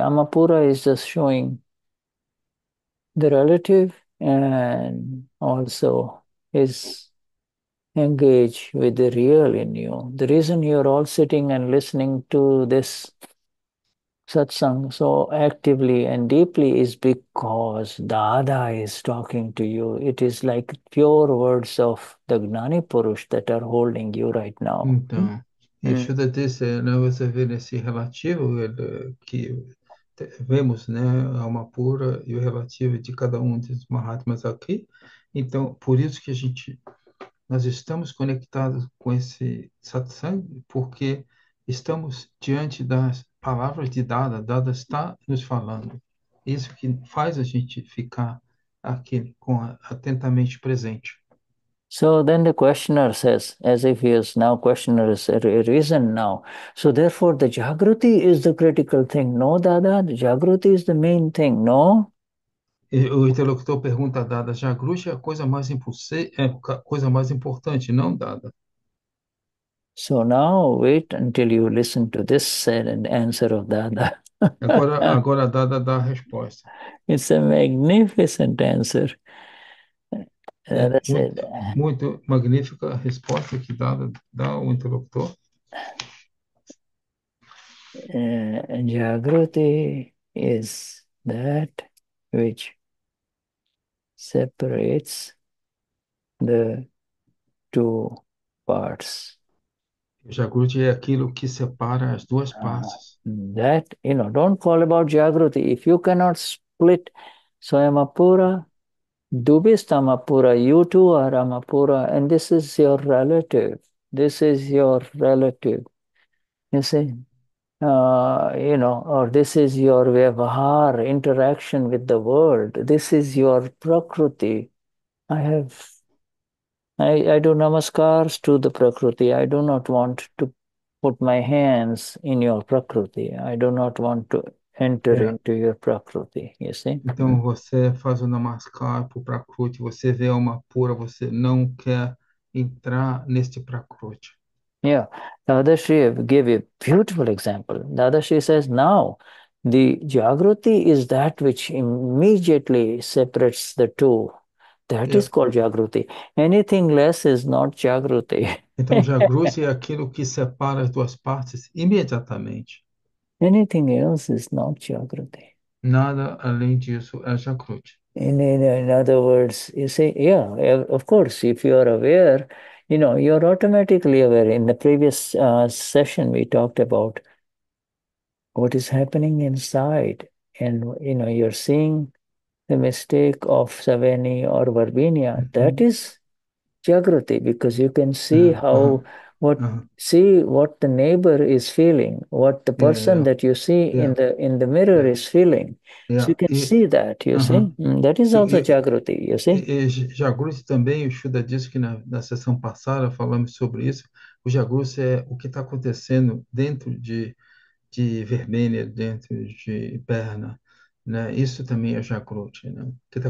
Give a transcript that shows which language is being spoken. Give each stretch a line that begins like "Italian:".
English: Amapura is just showing the relative and also is engaged with the real in you. The reason you're all sitting and listening to this satsang so actively and deeply is because Dada is talking to you. It is like pure words of the Gnani Purush that are holding you right now.
Portuguese: Então, Yashoda disse, né, você vê nesse relativo que vemos, né, a alma pura e o relativo de cada um dos Mahatmas aqui. Então, por isso que a gente, nós estamos conectados com esse satsang, porque estamos diante das palavras de Dada. Dada está nos falando. Isso que faz a gente ficar aqui com atentamente presente.
English: So then the questioner says, as if he is now questioner is arisen now. So therefore the Jagruti is the critical thing. No, Dada, the Jagruti is the main thing. No?
Portuguese: O interlocutor pergunta a Dada, Jagruti é a coisa mais impulsiva, é a coisa mais importante, não Dada.
English: So now wait until you listen to this sad answer of Dada.
Portuguese: Agora Dada dá a resposta.
English: It's a magnificent answer.
Portuguese: É
English: That's it.
Portuguese: muito magnífica a resposta que Dada dá ao interlocutor.
English: Jagruti is that which separates the two parts.
Portuguese: Jagruti é aquilo que separa as duas partes.
English: That, don't call about Jagruti. If you cannot split Swayamapura, Dubhistamapura, you too are Amapura, and this is your relative. This is your relative. You see? Or this is your vyavahar, interaction with the world. This is your prakriti. I do namaskars to the prakriti. I do not want to put my hands in your prakriti. I do not want to enter
Portuguese: É.
English: into your prakriti, you see?
Portuguese: Então você faz o namaskar para o Prakruti, você vê a alma pura, você não quer entrar neste Prakruti.
English: Yeah, Dadashree gave a beautiful example. Dadashree says, now the Jagruti is that which immediately separates the two. That is
Portuguese: É.
English: called Jagruti. Anything less is not Jagruti.
Portuguese: Então Jagruti é aquilo que separa as duas partes imediatamente.
English: Anything else is not Jagruti.
Portuguese: Nada além disso é Jagruti.
English: In other words, you say, yeah, of course, if you are aware. You're automatically aware. In the previous session, we talked about what is happening inside. And you're seeing the mistake of Saveni or Verbenia. That is Jagruti, because you can see how what the neighbor is feeling, what the person that you see in the mirror is feeling. So you can see that, you see? That is also Jagruti, you see?
Portuguese: Jagruti também, o Shuddha disse que na sessão passada falamos sobre isso. O Jagruti é o que está acontecendo dentro de Vermelha, dentro de Berna, né? Isso também é Jagruti, né? O que está